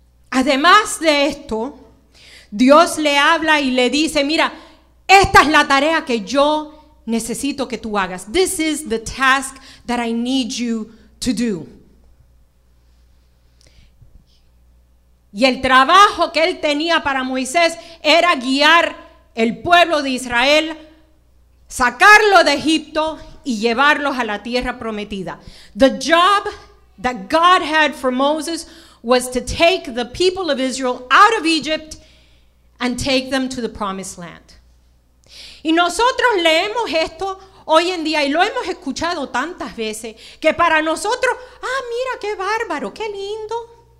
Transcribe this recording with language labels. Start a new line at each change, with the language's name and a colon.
Spanish: Además de esto, Dios le habla y le dice, mira, esta es la tarea que yo necesito que tú hagas.
English: This is the task that I need you to do.
Spanish: Y el trabajo que él tenía para Moisés era guiar el pueblo de Israel, sacarlo de Egipto y llevarlos a la tierra prometida.
English: The job that God had for Moses was to take the people of Israel out of Egypt and take them to the promised land.
Spanish: Y nosotros leemos esto hoy en día y lo hemos escuchado tantas veces que para nosotros, ah, mira qué bárbaro, qué lindo.